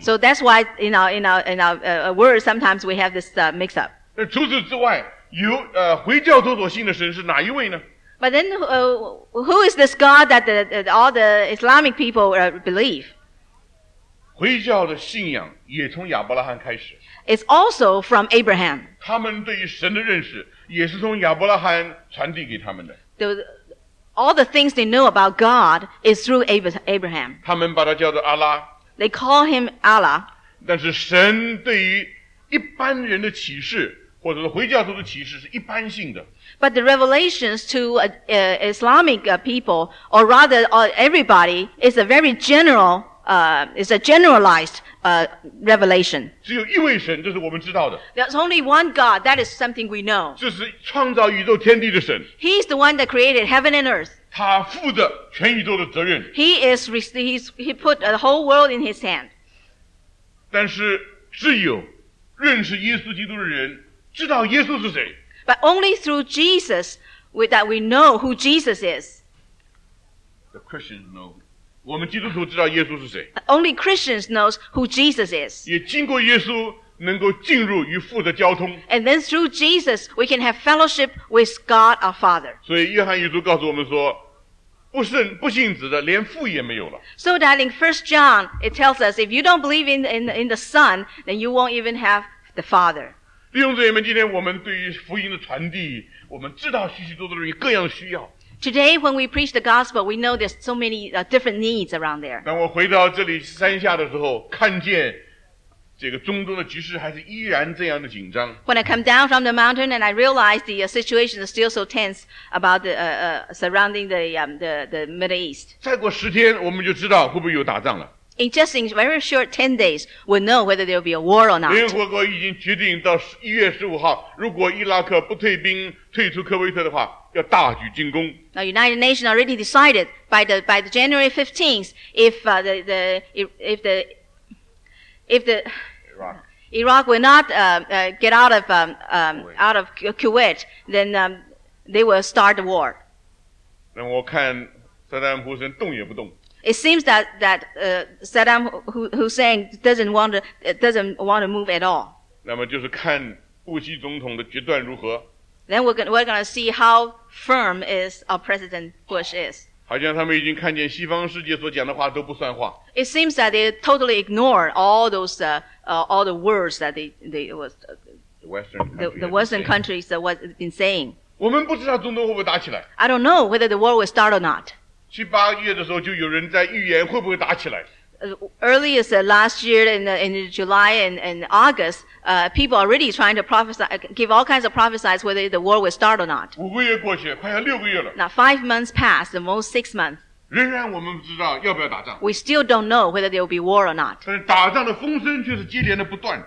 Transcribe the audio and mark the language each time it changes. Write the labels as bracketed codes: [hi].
[en] So that's why in our word, sometimes we have this mix up. [zh] 那除此之外，回教徒所信的神是哪一位呢？ [en] But then, who is this God that all the Islamic people believe? [zh] 回教的信仰也从亚伯拉罕开始。 [en] It's also from Abraham. [zh] 他们对于神的认识也是从亚伯拉罕传递给他们的。 [en] All the things they know about God is through Abraham. [zh] 他们把他叫做阿拉。 [en] They call him Allah. [zh] 但是神对于一般人的启示或者说回教徒的启示是一般性的。 [en] But the revelations to Islamic people, or rather everybody, is a very general, is a generalized revelation. [zh] 只有一位神，这是我们知道的。 [en] There's only one God. That is something we know. [zh] 这是创造宇宙天地的神。 [en] He's the one that created heaven and earth. [zh] 他负责全宇宙的责任。 [en] He put the whole world in his hand. [zh] 但是只有认识耶稣基督的人知道耶稣是谁。 [en] But only through Jesus that we know who Jesus is. The Christians know. [zh] 我们基督徒知道耶稣是谁。 [en] Only Christians know who Jesus is. [zh] 也经过耶稣能够进入与父的交通。 [en] And then through Jesus we can have fellowship with God our Father. [zh] 所以约翰一书告诉我们说不信子的连父也没有了。 [en] So that in 1 John it tells us if you don't believe in the Son then you won't even have the Father. [zh] 弟兄姊妹们，今天我们对于福音的传递，我们知道许许多多的人各样需要。 [en] Today, when we preach the gospel, we know there's so many different needs around there. [zh] 当我回到这里山下的时候，看见这个中东的局势还是依然这样的紧张。 [en] When I come down from the mountain and I realize the situation is still so tense about the surrounding the Middle East. [zh] 再过十天，我们就知道会不会有打仗了。 [en] In just in very short 10 days, we'll know whether there will be a war or not. [zh] 联合国已经决定到1月15号，如果伊拉克不退兵，退出科威特的话，要大举进攻。 [en] Now, United Nations already decided by the January 15th, if Iraq will not get out of Kuwait, then they will start the war. [zh] 那我看萨达姆胡森动也不动。 [en] It seems that Saddam Hussein doesn't want to move at all. [zh] 那么就是看布希总统的决断如何。 [en] Then we're gonna see how firm is our President Bush is. [zh] 好像他们已经看见西方世界所讲的话都不算话。 [en] It seems that they totally ignore all those all the words that the Western countries that was been saying. [zh] 我们不知道中东会不会打起来。 [en] I don't know whether the war will start or not. [zh] 七八月的时候就有人在预言会不会打起来。 [en] Earliest last year in July and August, people already trying to prophesy, give all kinds of prophesies whether the war will start or not. [zh] 五个月过去了，快要六个月了。 [en] Now 5 months passed, the most 6 months. [zh] 仍然我们不知道要不要打仗。 [en] We still don't know whether there will be war or not. [zh] 但是打仗的风声却是接连的不断。